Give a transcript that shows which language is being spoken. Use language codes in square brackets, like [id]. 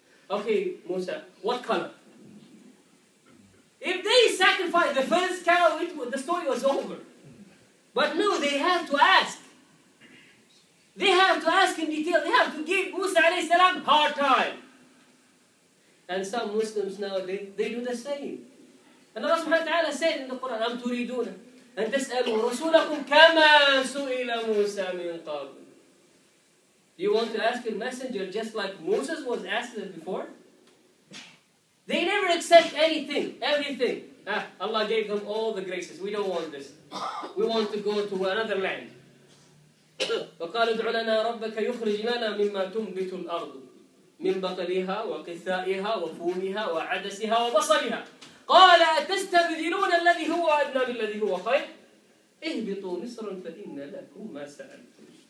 [en] Okay, Musa, what color? If they sacrifice the first cow, the story was over. But no, they have to ask. They have to ask in detail. They have to give Musa alayhi salam hard time. And some Muslims now, they do the same. And Allah subhanahu wa ta'ala said in the Quran, [ar] أَمْ تُرِيدُونَ أَنْ تَسْأَلُوا رَسُولَكُمْ كَمَا سُئِلَ مُوسَى مِنْ قَبْلُ. [en] You want to ask a messenger just like Moses was asked before? They never accept anything, everything. Ah, Allah gave them all the graces. We don't want this. We want to go to another land. [ar] وَقَالُوا ادْعُ لَنَا رَبَّكَ يُخْرِجْ لَنَا مِمَّا تُنْبِتُ الْأَرْضُ مِنْ بَقَلِهَا وَقِثَائِهَا وَفُومِهَا وَعَدَسِهَا وَبَصَلِهَا قَالَ أَتَسْتَبْدِلُونَ الَّذِي هُوَ أَدْنَى بِالَّذِي هُوَ خَيْرٌ اهْبِطُوا مِصْرًا فَإِنَّ لَكُمْ مَا سَأَلْتُمْ.